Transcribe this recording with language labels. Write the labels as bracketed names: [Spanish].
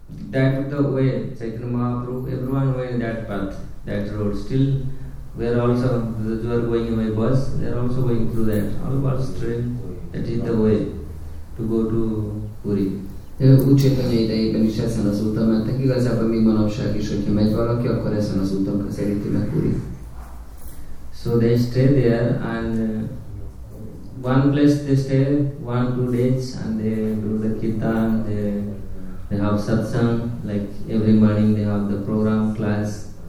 [English] That the way, Chaitanya Mahaprabhu, everyone went that path, that road. Still, we are also, those who are going by bus, they are also going through that. All about strength, that is the way to go to Puri. [Hungarian] Úgy Chaitanya idejében is ezen az úton mentek. Igazából még manapság is, hogyha megy valaki, akkor ezen az úton közelíti meg Puri. [English] So they stay there, and one place they stay 1-2 days, and they do the kirtan, they have satsang, like every morning they have the program class.